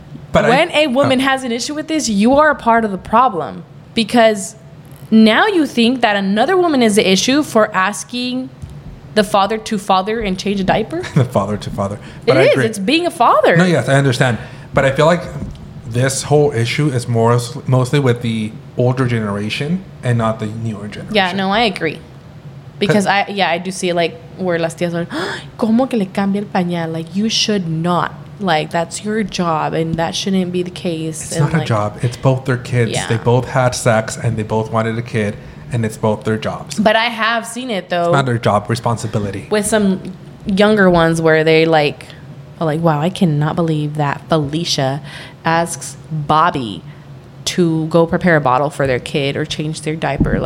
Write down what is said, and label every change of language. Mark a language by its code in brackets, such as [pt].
[en] But when a woman has an issue with this, you are a part of the problem, because now you think that another woman is the issue for asking the father to father and change a diaper. The father to father. But it is. It's being a father. No, yes, I understand. But I feel like this whole issue is more mostly with the older generation and not the newer generation. Yeah, no, I agree. Because I do see like where [es] las tías [en] are, [es] ¿cómo que le cambia el pañal? [en] Like, you should not. Like, that's your job, and that shouldn't be the case. It's not a job. It's both their kids. Yeah. They both had sex, and they both wanted a kid, and it's both their jobs. But I have seen it, though. It's not their job. Responsibility. With some younger ones where they, like, are like, wow, I cannot believe that Felicia asks Bobby to go prepare a bottle for their kid or change their diaper.